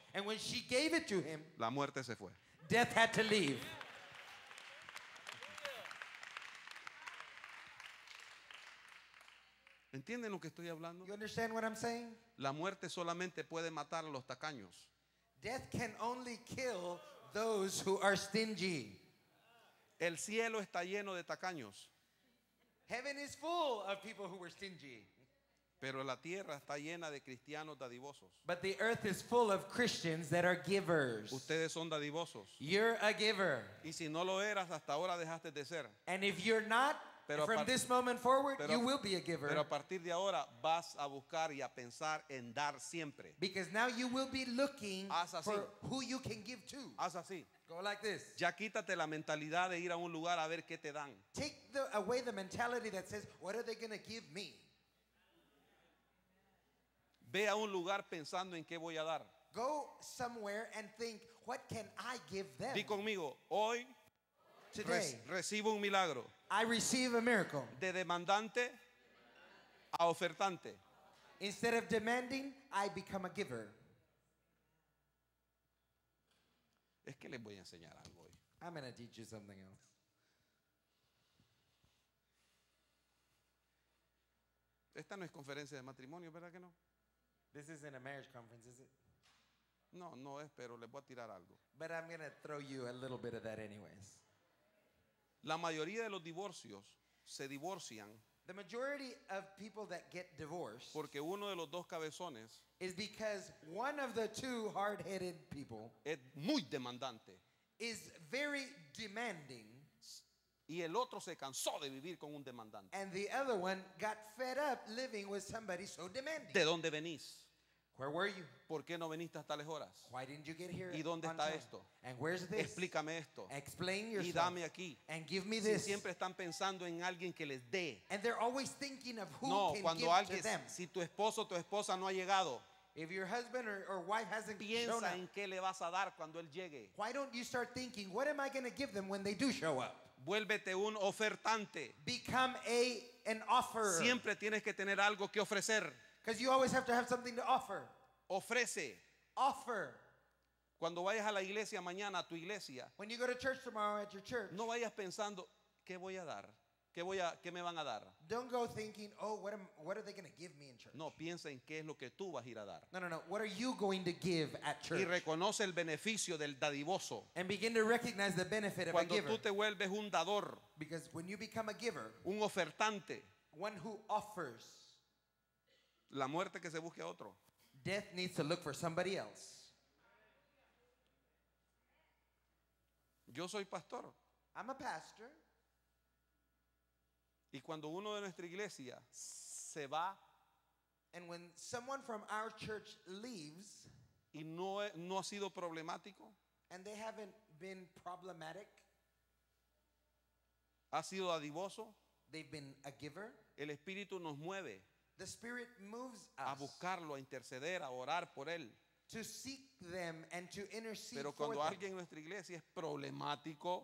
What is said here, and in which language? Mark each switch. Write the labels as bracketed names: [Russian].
[English] And when she gave it to him. [Spanish] La muerte se fue. [English] Death had to leave. [Spanish] ¿Entienden lo que estoy hablando? [English] You understand what I'm saying? [Spanish] La muerte solamente puede matar a los tacaños. [English] Death can only kill those who are stingy. [Spanish] El cielo está lleno de tacaños. [English] Heaven is full of people who were stingy. [Spanish] Pero la tierra está llena de cristianos dadivosos. [English] But the earth is full of Christians that are givers. [Spanish] Ustedes son dadivosos. [English] You're a giver. [Spanish] Y si no lo eras, hasta ahora dejaste de ser. [English] And if you're not, [Spanish] pero [English] from this moment forward, [Spanish] pero, [English] you will be a giver. [Spanish] Pero a partir de ahora, vas a buscar y a pensar en dar siempre. [English] Because now you will be looking [Spanish] haz así. [English] For who you can give to. [Spanish] Haz así. [English] Go like this. [Spanish] Ya quítate la mentalidad de ir a un lugar a ver qué te dan. [English] Take the, away the mentality that says, what are they going to give me? [Spanish] Ve a un lugar pensando en qué voy a dar. [English] Go somewhere and think, what can I give them? [Spanish] Di conmigo, hoy [English] today, [Spanish] recibo un milagro. [English] I receive a miracle. [Spanish] De demandante a ofertante. [English] Instead of demanding, I become a giver. [Spanish] Es que les voy a enseñar algo hoy. [English] I'm going to teach you something else. [Spanish] Esta no es conferencia de matrimonio, ¿verdad que no? [English] This isn't a marriage conference, is it? [Spanish] No, no es, pero les voy a tirar algo. [English] But I'm going to throw you a little bit of that anyways. [Spanish] La mayoría de los divorcios se divorcian [English] the majority of people that get divorced [Spanish] porque uno de los dos cabezones [English] is because one of the two hard-headed people [Spanish] es muy demandante [English] is very demanding [Spanish] y el otro se cansó de vivir con un demandante [English] and the other one got fed up living with somebody so demanding. [Spanish] ¿De dónde venís? [English] Where were you? [Spanish] ¿Por qué no viniste hasta tales horas? [English] Why didn't you get here? [Spanish] ¿Y dónde está [English] time? [Spanish] Esto? [English] And where's this? [Spanish] Explícame esto. [English] Explain yourself. [Spanish] Y dame aquí. [English] And give me this. [Spanish] Si siempre están pensando en alguien que les dé. [English] And they're always thinking of who [Spanish] no, [English] can [Spanish] cuando [English] give [Spanish] alguien, [English] to them. [Spanish] Si tu esposo o tu esposa no ha llegado. [English] If your husband or wife hasn't [Spanish] piensa [English] shown up. [Spanish] En qué le vas a dar cuando él llegue. [English] Why don't you start thinking, what am I going to give them when they do show up? [Spanish] Vuélvete un ofertante. [English] Become an offerer. [Spanish] Siempre tienes que tener algo que ofrecer. [English] Because you always have to have something to offer. [Spanish] Ofrece. [English] Offer. [Spanish] Cuando vayas a la iglesia mañana, a tu iglesia. [English] When you go to church tomorrow at your church. [Spanish] No vayas pensando, ¿qué voy a dar? ¿Qué, voy a, qué me van a dar? [English] Don't go thinking, oh, what are they going to give me in church? [Spanish] No, piensa en qué es lo que tú vas a ir a dar. [English] No, no, no. What are you going to give at church? [Spanish] Y reconoce el beneficio del dadivoso. [English] And begin to recognize the benefit [Spanish] cuando [English] of a giver. [Spanish] Cuando tú te vuelves un dador. [English] Because when you become a giver. [Spanish] Un ofertante. [English] One who offers. [Spanish] La muerte que se busque a otro. [English] Death needs to look for somebody else. [Spanish] Yo soy pastor. [English] I'm a pastor. [Spanish] Y cuando uno de nuestra iglesia se va, [English] and when someone from our church leaves, [Spanish] y no ha sido problemático, [English] and they haven't been problematic, [Spanish] ha sido adivoso, [English] they've been a giver, [Spanish] el Espíritu nos mueve, [English] the Spirit moves us, [Spanish] a buscarlo, a interceder, a orar por él, [English] to seek them and to intercede for them. [Spanish] Pero cuando alguien en nuestra iglesia es problemático,